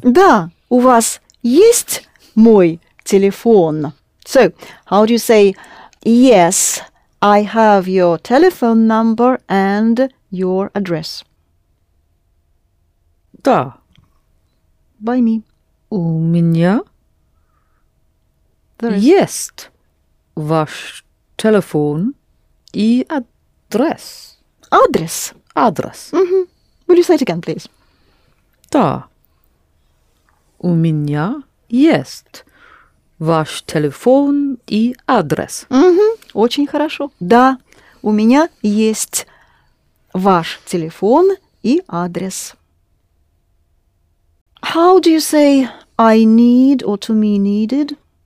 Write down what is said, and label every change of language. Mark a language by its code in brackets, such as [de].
[ru] Да, у вас есть мой телефон. [en] So, how do you say, yes, I have your telephone number and your address? [ru] Да. [en] By me. [ru] У меня есть ваш телефон и адрес. Адрес. Адрес. [en] Mm-hmm. Will you say it again, please? [ru] Да. У меня есть ваш телефон и адрес. Mm-hmm. Очень хорошо. Да, у меня есть ваш телефон и адрес. [en] How do you say I need or to me needed?